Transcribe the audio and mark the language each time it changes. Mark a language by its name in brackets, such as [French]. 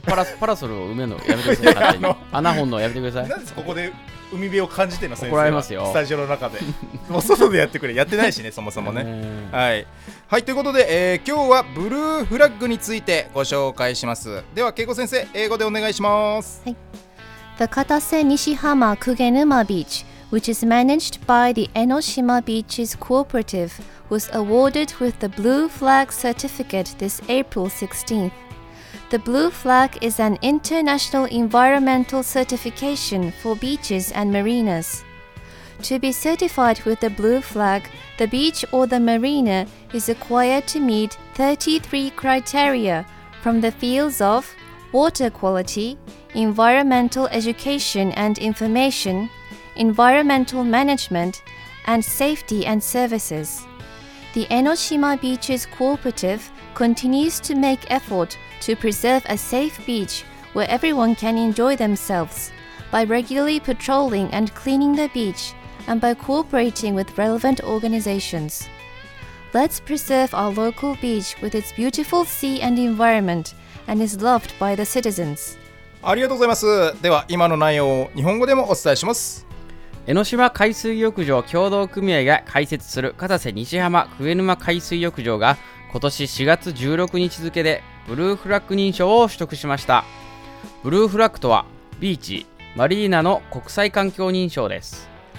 [Japanese] パラソルを埋めるのやめてください。穴本のやめてください。なんでここで海辺を感じてるの、先生。怒られますよ、スタジオの中で。もう外でやってくれ。やってないしね、そもそもね。はい、はい、ということで、今日はブルーフラッグについてご紹介します。では恵子先生、英語でお願いします。はい、 [English] The Katase Nishihama Kugenuma Beach, which is managed by the Enoshima Beaches Cooperative, was awarded with the Blue Flag Certificate this April 16thThe Blue Flag is an international environmental certification for beaches and marinas. To be certified with the Blue Flag, the beach or the marina is required to meet 33 criteria from the fields of water quality, environmental education and information, environmental management, and safety and services. The Enoshima Beaches Cooperative continues to make effort to preserve a safe beach where everyone can enjoy themselves by regularly patrolling and cleaning the beach and by cooperating with relevant organizations. Let's preserve our local beach with its beautiful sea and environment and is loved by the citizens. [Japanese] ありがとうございます。では今の内容を日本語でもお伝えします。江ノ島海水浴場協同組合が開設する片瀬西浜鵠沼海水浴場が今年4月16日付でブルーフラッグ認証を取得しました。ブルーフラッグとはビーチ、マリーナの国際環境認証です。